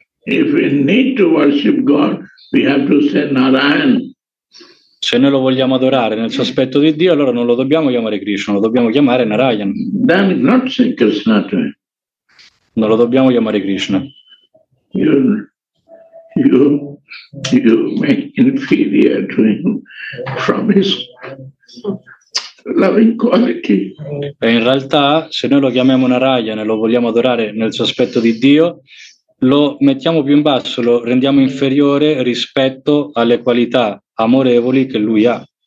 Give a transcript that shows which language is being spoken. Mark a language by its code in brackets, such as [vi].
[en] If we need to worship God, we have to say Narayan. [it] Se noi lo vogliamo adorare nel suo aspetto di Dio, allora non lo dobbiamo chiamare Krishna, lo dobbiamo chiamare Narayan. [en] Then not say Krishna to him. [it] Non lo dobbiamo chiamare Krishna. [en] You make inferior to him from his loving quality. [it] E in realtà, se noi lo chiamiamo Narayan e lo vogliamo adorare nel suo aspetto di Dio, lo mettiamo più in basso, lo rendiamo inferiore rispetto alle qualità amorevoli che lui ha.